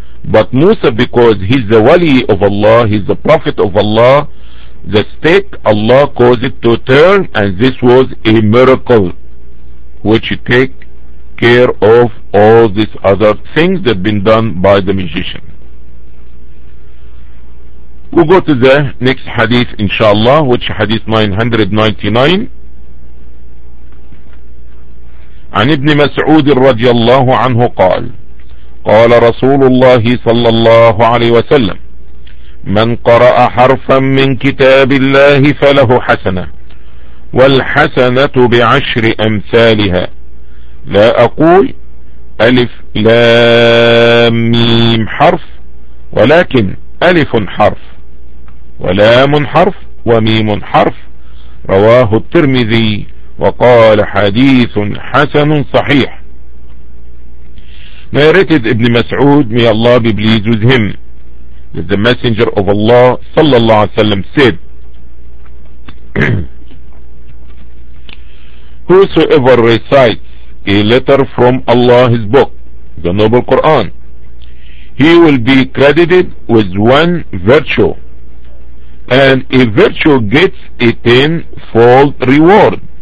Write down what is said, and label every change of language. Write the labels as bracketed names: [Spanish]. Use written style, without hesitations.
[English] But Musa, because he's the wali of Allah, he's the prophet of Allah, the stick Allah caused it to turn, and this was a miracle which take care of all these other things that been done by the magician. We'll go to the next hadith inshallah, which hadith 999. [Arabic] عن ابن مسعود رضي الله عنه قال قال رسول الله صلى الله عليه وسلم من قرأ حرفا من كتاب الله فله حسنة والحسنة بعشر أمثالها لا أقول ألف لام ميم حرف ولكن ألف حرف ولام حرف وميم حرف رواه الترمذي وقال حديث حسن صحيح. [English] Narrated Ibn Mas'ud, may Allah be pleased with him, that the Messenger of Allah sallallahu alaihi wasallam said, whosoever recites a letter from Allah's book, the noble Quran, he will be credited with one virtue, and a virtue gets a tenfold reward.